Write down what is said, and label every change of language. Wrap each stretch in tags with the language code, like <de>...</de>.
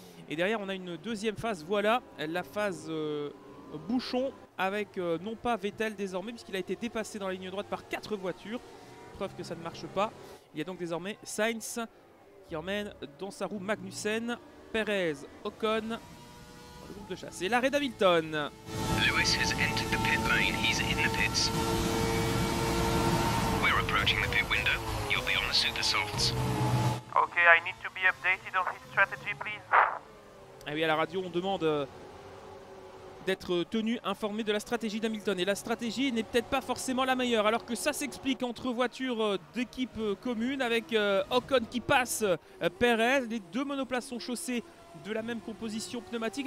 <fr>Et derrière, on a une deuxième phase, voilà, la phase bouchon, avec non pas Vettel désormais, puisqu'il a été dépassé dans la ligne droite par 4 voitures, preuve que ça ne marche pas. Il y a donc désormais Sainz qui emmène dans sa roue Magnussen, Perez, Ocon, le groupe de chasse. Et l'arrêt d'Hamilton.</fr> <en>Lewis has entered the pit lane, he's in the pits. We're approaching the pit window, you'll be on the super softs. Ok, I need to be updated on his strategy, please.</en> <fr>Ah oui, à la radio, on demande d'être tenu informé de la stratégie d'Hamilton. Et la stratégie n'est peut-être pas forcément la meilleure. Alors que ça s'explique entre voitures d'équipe commune, avec Ocon qui passe Perez. Les deux monoplaces sont chaussées de la même composition pneumatique.</fr>